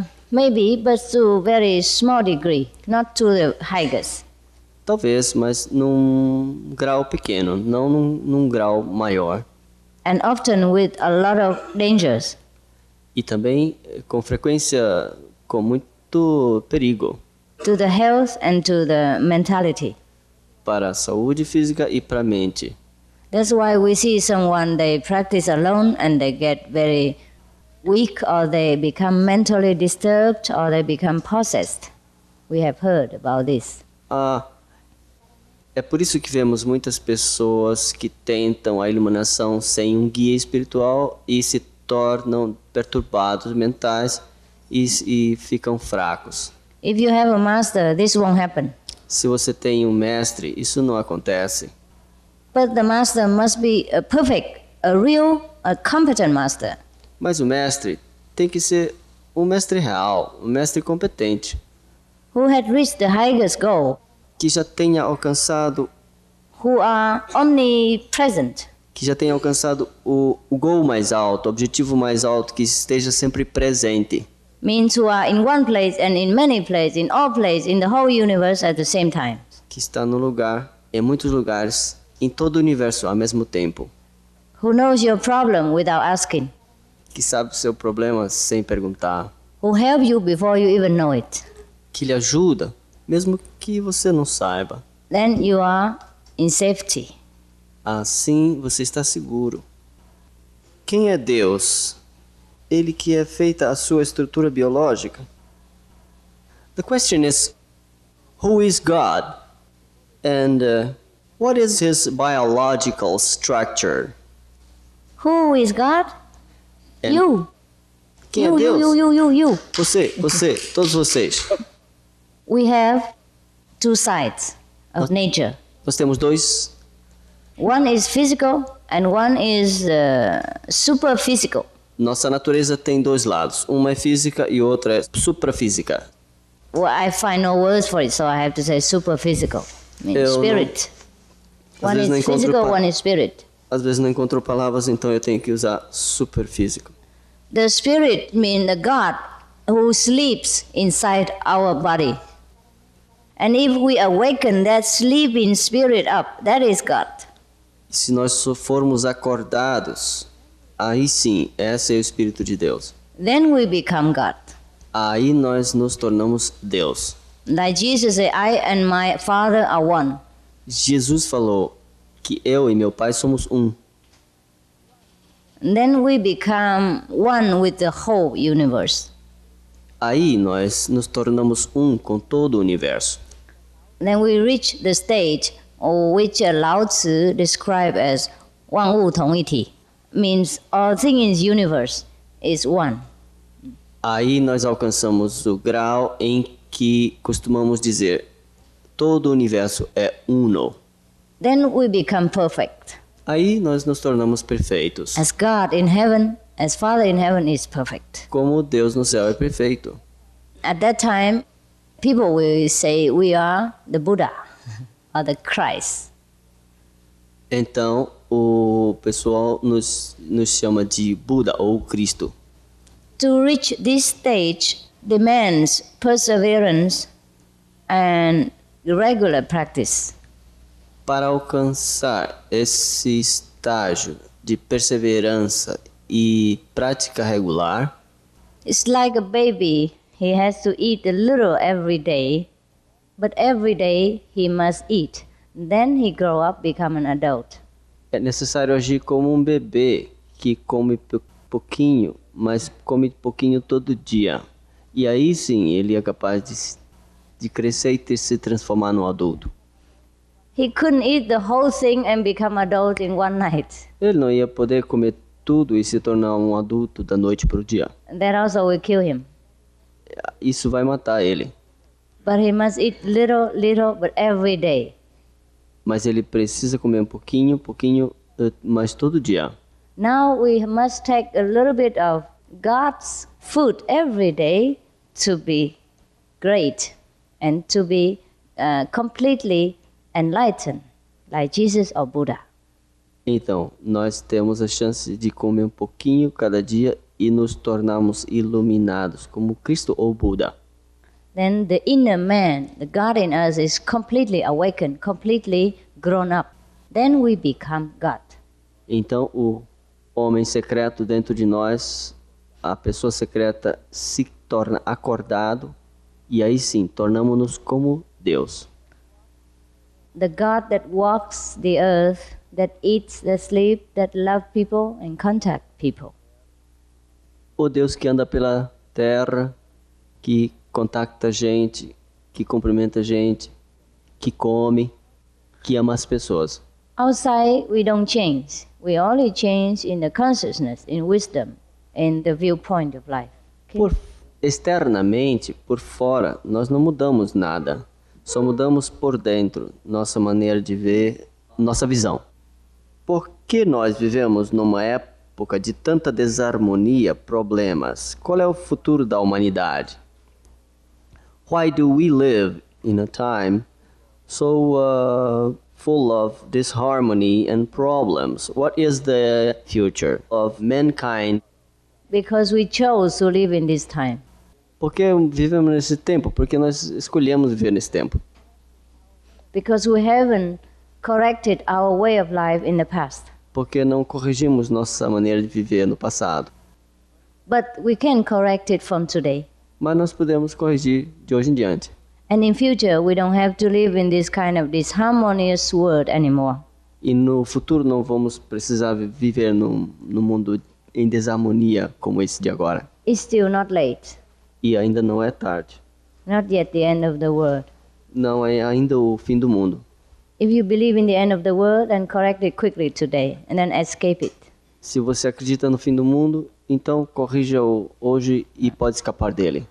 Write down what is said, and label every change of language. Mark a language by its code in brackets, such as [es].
[en] Maybe, but to a very small degree, not to the highest. [pt] Talvez, mas num grau pequeno, não num grau maior. [en] And often with a lot of dangers. [pt] E também com frequência com muito perigo. [en] To the health and to the mentality. [pt] Para a saúde física e para a mente. [en] That's why we see someone, they practice alone and they get very weak, or they become mentally disturbed, or they become possessed. We have heard about this. [pt] Ah, é por isso que vemos muitas pessoas que tentam a iluminação sem um guia espiritual e se tornam perturbados mentais e ficam fracos. [en] If you have a master, this won't happen. [pt] Se você tem um mestre, isso não acontece. [en] But the master must be a perfect, a real, a competent master. [pt] Mas o mestre tem que ser um mestre real, um mestre competente. [en] Who had reached the highest goal. [pt] Que já tenha alcançado... [en] Who are omnipresent. [pt] Que já tenha alcançado o goal mais alto, o objetivo mais alto, que esteja sempre presente. [en] Means who are in one place and in many places, in all places, in the whole universe at the same time. [pt] Que está no lugar, em muitos lugares, em todo o universo ao mesmo tempo. [en] Who knows your problem without asking. [pt] Que sabe o seu problema sem perguntar. [en] Who help you before you even know it. [pt] Que lhe ajuda, mesmo que você não saiba. [en] Then you are in safety. [pt] Assim você está seguro. Quem é Deus? Ele que é feita a sua estrutura biológica. [en] The question is, who is God? And what is his biological structure? Who is God? And you. [pt] Quem [en] you, [pt] é Deus? [en] You. [pt] Você, todos vocês. [en] We have two sides of nature. [pt] Nós temos dois. [en] One is physical and one is super physical. [pt] Nossa natureza tem dois lados. Uma é física e outra é suprafísica. [en] Well, I find no words for it, so I have to say superphysical. Spirit. [pt] Não. [en] One is physical, one is spirit. [pt] Às vezes não encontro palavras, então eu tenho que usar superphysical. [en] The spirit means the God who sleeps inside our body. And if we awaken that sleeping spirit up, that is God. [pt] Se nós formos acordados, aí sim, esse é o Espírito de Deus. [en] Then we become God. [pt] Aí nós nos tornamos Deus. [en] Like Jesus said, I and my Father are one. [pt] Jesus falou que eu e meu Pai somos um. [en] Then we become one with the whole universe. [pt] Aí nós nos tornamos um com todo o universo. [en] Then we reach the stage of which Lao Tzu described as [zh] Wang Wu Tong Yi Ti. [en] Means all things in the universe is one. [pt] Aí nós alcançamos o grau em que costumamos dizer todo o universo é uno. [en] Then we become perfect. [pt] Aí nós nos tornamos perfeitos. [en] As God in heaven, as Father in heaven is perfect. [pt] Como Deus no céu é perfeito. [en] At that time, people will say we are the Buddha or the Christ. [pt] Então, o pessoal nos chama de Buda ou Cristo. [en] To reach this stage demands perseverance and regular practice. [pt] Para alcançar esse estágio de perseverança e prática regular, [en] it's like a baby. He has to eat a little every day, but every day he must eat. Then he grow up, become an adult. [pt] É necessário agir como um bebê que come pouquinho, mas come pouquinho todo dia. E aí sim, ele é capaz de crescer e se transformar num adulto. [en] He couldn't eat the whole thing and become adult in one night. [pt] Ele não ia poder comer tudo e se tornar um adulto da noite para o dia. [en] That also will kill him. [pt] Isso vai matar ele. [en] But he must eat little, little, but every day. [pt] Mas ele precisa comer um pouquinho, pouquinho, mas todo dia. [en] Now we must take a little bit of God's food every day to be great and to be completely enlightened, like Jesus or Buddha. [pt] Então, nós temos a chance de comer um pouquinho cada dia e nos tornarmos iluminados como Cristo ou Buda. [en] Then the inner man, the God in us, is completely awakened, completely grown up. Then we become God. [pt] Então o homem secreto dentro de nós, a pessoa secreta, se torna acordado e aí sim, tornamos-nos como Deus. [en] The God that walks the earth, that eats, that sleeps, that loves people and contact people. [pt] O Deus que anda pela terra, que contacta gente, que cumprimenta gente, que come, que ama as pessoas. [en] Outside, we don't change. We only change in the consciousness, in wisdom, in the viewpoint of life. Okay? [pt] Por externamente, por fora, nós não mudamos nada. Só mudamos por dentro, nossa maneira de ver, nossa visão. Por que nós vivemos numa época de tanta desarmonia, problemas? Qual é o futuro da humanidade? [en] Why do we live in a time so full of disharmony and problems? What is the future of mankind? Because we chose to live in this time. [pt] Porque vivemos nesse tempo? Porque nós escolhemos viver nesse tempo? [en] Because we haven't corrected our way of life in the past. [pt] Porque não corrigimos nossa maneira de viver no passado? [en] But we can correct it from today. [pt] Mas nós podemos corrigir de hoje em diante. [en] And in future we don't have to live in this kind of disharmonious world anymore. [pt] E no futuro não vamos precisar viver no mundo em desarmonia como esse de agora. [en] It's still not late. [pt] E ainda não é tarde. [en] Not yet the end of the world. [pt] Não é ainda o fim do mundo. [en] If you believe in the end of the world, then correct it quickly today and then escape it. [pt] Se você acredita no fim do mundo, então corrija o hoje e pode escapar dele.